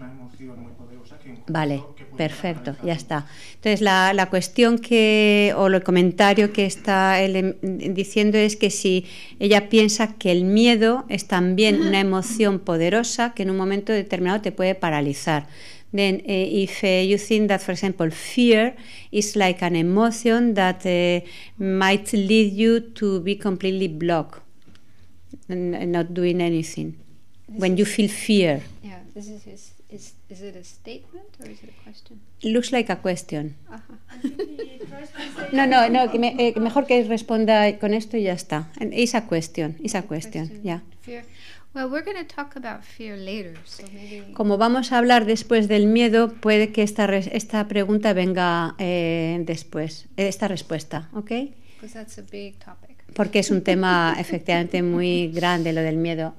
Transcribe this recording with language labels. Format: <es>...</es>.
<es>una emoción muy poderosa que incluso, vale, que perfecto, ya está. Entonces la cuestión que, o el comentario que está él diciendo, es que si ella piensa que el miedo es también una emoción poderosa que en un momento determinado te puede paralizar.</es> <en>Then if you think that, for example, fear is like an emotion that might lead you to be completely blocked and not doing anything. When you feel fear. Yeah, this is it a statement or is it a question? It looks like a question. Uh-huh.</en> <es>No, mejor que responda con esto y ya está.</es> <en>And it's a question, yeah. Fear. Well, we're going to talk about fear later, so maybe...</en> <es>Como vamos a hablar después del miedo, puede que esta pregunta venga después, esta respuesta, ¿ok?</es> <en>Because that's a big topic.</en> <es>Porque es un tema efectivamente muy grande lo del miedo.</es>